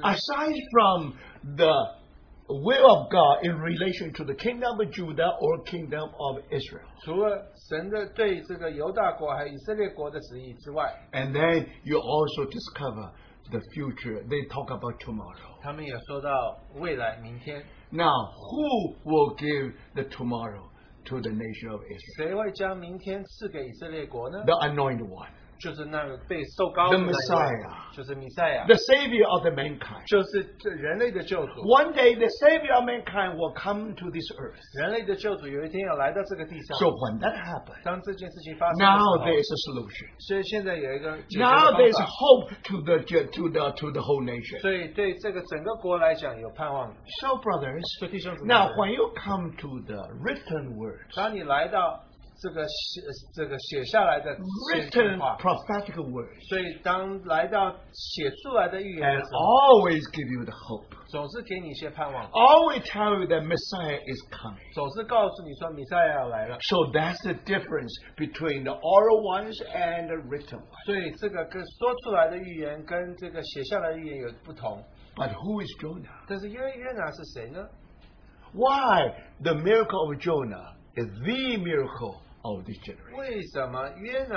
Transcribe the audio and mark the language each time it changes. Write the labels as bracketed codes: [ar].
[en] aside from the will of God in relation to the kingdom of Judah or kingdom of Israel, [zh] 除了神的对这个犹大国还有以色列国的旨意之外, [en] and then you also discover the future. They talk about tomorrow. [zh] 他们也说到未来, 明天, [en] now who will give the tomorrow to the nation of Israel? [zh] 谁会将明天赐给以色列国呢? [en] The anointed one, [zh] 就是那个被受膏的人, [en] the Messiah, [zh] 就是弥赛亚, [en] the Savior of the mankind, [zh] 就是人类的救主。 [en] One day the Savior of mankind will come to this earth. [zh] 人类的救主有一天要来到这个地上。 [en] So when that happens, [zh] 当这件事情发生的时候, [en] now there is a solution. [zh] 所以现在有一个解决的方法。 [en] Now there is hope to the whole nation. [zh] 所以对这个整个国来讲有盼望。 [en] So brothers, [zh] 所以弟兄姊妹, [en] now when you come to the written words, [zh] 当你来到这个写下来的 [en] written prophetic words. [zh] 所以当来到写出来的预言 [en] has always give you the hope. [zh] 总是给你一些盼望, [en] always tell you that Messiah is coming. [zh] 总是告诉你说弥赛亚要来了, [en] so that's the difference between the oral ones and the written ones. [zh] 所以这个跟说出来的预言跟这个写下来的预言有不同。 [en] But who is Jonah? [zh] 但是约拿是谁呢? [en] Why the miracle of Jonah is the miracle of this generation?